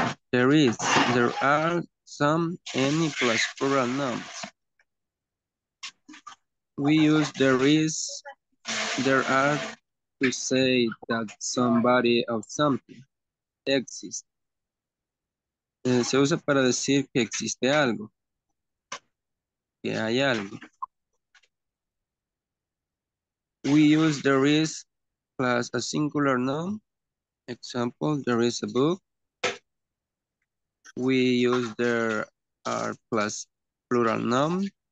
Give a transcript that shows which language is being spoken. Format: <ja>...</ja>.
<en>There is, there are some, any plus plural nouns. We use there is, there are to say that somebody or something exists.</en> <es>Se usa para decir que existe algo, que hay algo.</es> <en>We use there is plus a singular noun. Example, there is a book. We use there are plus plural noun.</en>